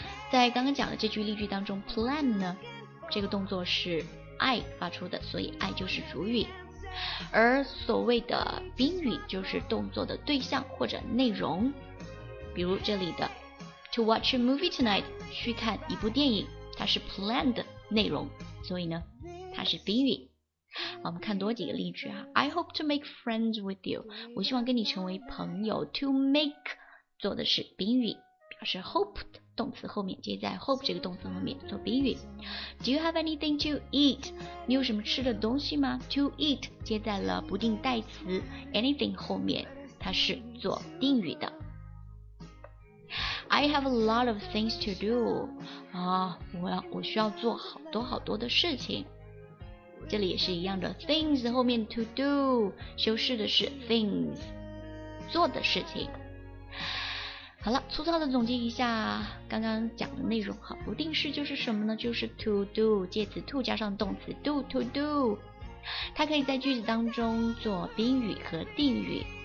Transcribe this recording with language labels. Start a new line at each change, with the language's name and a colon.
Chinese: 在刚刚讲的这句例句当中 plan 呢，这个动作是 I 发出的，所以 I 就是主语，而所谓的宾语就是动作的对象或者内容。比如这里的
English: to watch a movie tonight
Chinese: 去看一部电影，它是 planned 内容，所以呢它是宾语。我们看多几个例句啊。
English: I hope to make friends with you，
Chinese: 我希望跟你成为朋友。 to make 做的是宾语，表示 hoped 动词后面接在 hope 这个动词后面做宾语。
English: do you have anything to eat，
Chinese: 你有什么吃的东西吗？ to eat 接在了不定代词 anything 后面，它是做定语的。
English: I have a lot of things to do，
Chinese: 啊，我需要做好多好多的事情。这里也是一样的， things 后面 to do 修饰的是 things， 做的事情。好了，粗糙的总结一下刚刚讲的内容。好，不定式就是什么呢？就是 to do， 介词 to 加上动词 do to do， 它可以在句子当中做宾语和定语。